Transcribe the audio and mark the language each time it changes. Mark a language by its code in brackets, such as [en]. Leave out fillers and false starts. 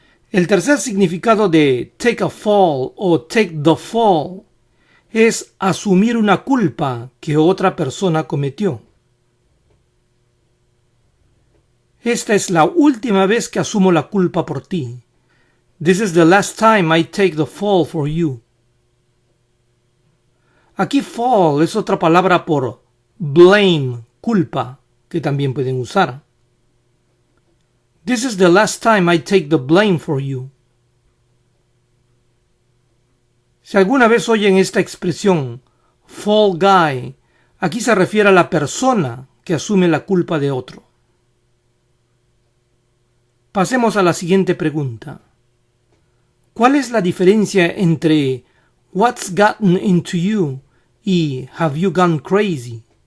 [es] El tercer significado de take a fall o take the fall es asumir una culpa que otra persona cometió. Esta es la última vez que asumo la culpa por ti. [en] This is the last time I take the fall for you. [es] Aquí fall es otra palabra por blame, culpa, que también pueden usar. [en] This is the last time I take the blame for you. [es] Si alguna vez oyen esta expresión, fall guy, aquí se refiere a la persona que asume la culpa de otro. Pasemos a la siguiente pregunta. ¿Cuál es la diferencia entre [en] what's gotten into you [es] y [en] have you gone crazy?